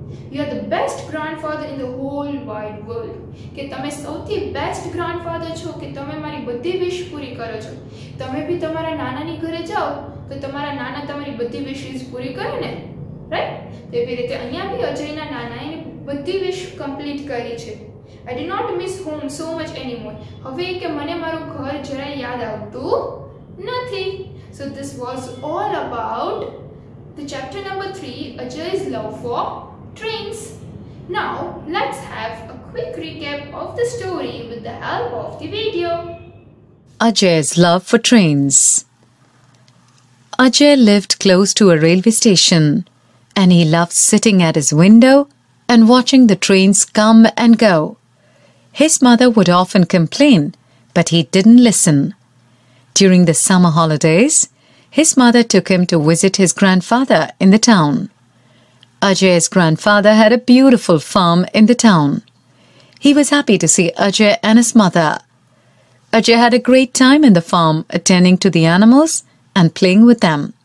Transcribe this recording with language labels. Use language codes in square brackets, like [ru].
[en] You are the best grandfather in the whole wide world. [gu] કે તમે સૌથી best grandfather છો કે તમે મારી બધી વિશ પૂરી કરો છો. તમે ભી તમારા નાનાની ઘરે જાઓ તો તમારા નાના તમારી બધી વિશીસ પૂરી કરે ને, રાઈટ? તેવી રીતે અહીંયા ભી અજયના નાનાએ બધી વિશ કમ્પ્લીટ કરી છે. [en] I did not miss home so much any more. [gu] હવે કે મને મારું ઘર જરાય યાદ આવતું નથી. [en] So this was all about the chapter number 3, Ajay's love for trains. Now let's have a quick recap of the story with the help of the video. Ajay's love for trains. Ajay lived close to a railway station and he love sitting at his window and watching the trains come and go. His mother would often complain, but he didn't listen. During the summer holidays, his mother took him to visit his grandfather in the town. Ajay's grandfather had a beautiful farm in the town. He was happy to see Ajay and his mother. Ajay had a great time in the farm, attending to the animals and playing with them.